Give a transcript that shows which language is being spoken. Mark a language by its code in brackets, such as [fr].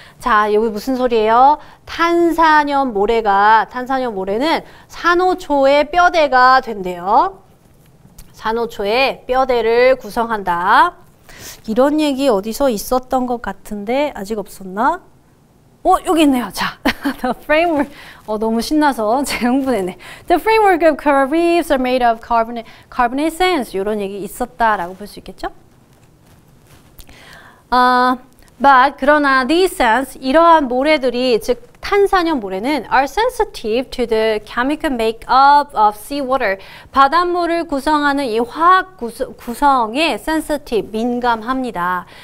[ko] 자, 여기 무슨 소리예요? 탄산염 모래가, 탄산염 모래는 산호초의 뼈대가 된대요. 산호초의 뼈대를 구성한다. 이런 얘기 어디서 있었던 것 같은데 아직 없었나? 어, 여기 있네요. 자, the framework. 너무 신나서 제가 흥분했네. [en] The framework of coral reefs are made of carbonate sands. [ko] 이런 얘기 있었다라고 볼 수 있겠죠? [en] But, [ko] 그러나 [en] these sands, [ko] 이러한 모래들이, 즉 탄산염 모래는 [en] are sensitive to the chemical makeup of seawater. [ko] 바닷물을 구성하는 이 화학 구성에 sensitive, 민감합니다.